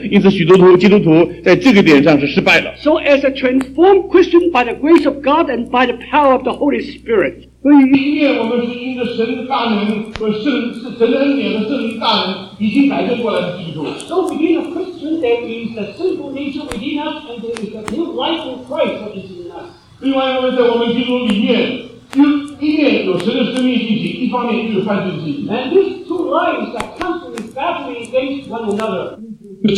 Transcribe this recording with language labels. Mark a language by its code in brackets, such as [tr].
[zh] 我们看见这个外面的环境，今世的风俗，各样大的力量把我们抓进去，把我们改变成叫我们顺服他的样子。因此，许多基督徒在这个点上是失败了。 [en] So as a transformed Christian by the grace of God and by the power of the Holy Spirit. [zh] 所以，一面我们是因着神的大能和神的恩典和圣灵大能已经改变过来的基督徒。 [en] So within a Christian, there is a sinful nature within us, and there is a new life in Christ that is in us. [zh] 另外一方面，在我们基督里面，一面有神的生命运行，一方面又有犯罪运行。 [en] And these two lives are constantly battling against one another.